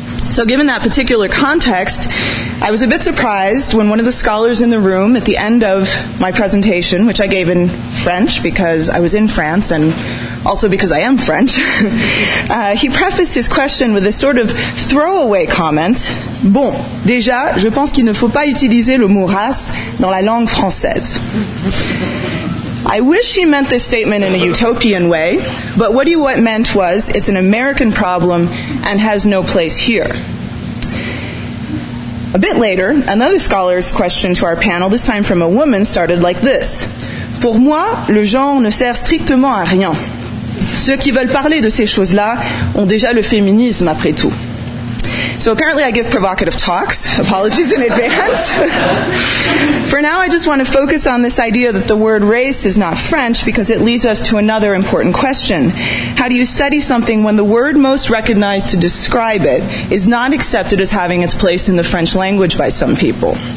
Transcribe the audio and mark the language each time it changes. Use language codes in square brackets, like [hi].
[en] So given that particular context, I was a bit surprised when one of the scholars in the room at the end of my presentation, which I gave in French because I was in France and also because I am French, he prefaced his question with a sort of throwaway comment. [fr] Bon, déjà, je pense qu'il ne faut pas utiliser le mot race dans la langue française. [en] I wish he meant this statement in a utopian way, but what he meant was, it's an American problem and has no place here. A bit later, another scholar's question to our panel, this time from a woman, started like this. [fr] Pour moi, le genre ne sert strictement à rien. Ceux qui veulent parler de ces choses-là ont déjà le féminisme après tout. [en] So apparently I give provocative talks. Apologies in advance. For now, I just want to focus on this idea that the word race is not French because it leads us to another important question. How do you study something when the word most recognized to describe it is not accepted as having its place in the French language by some people?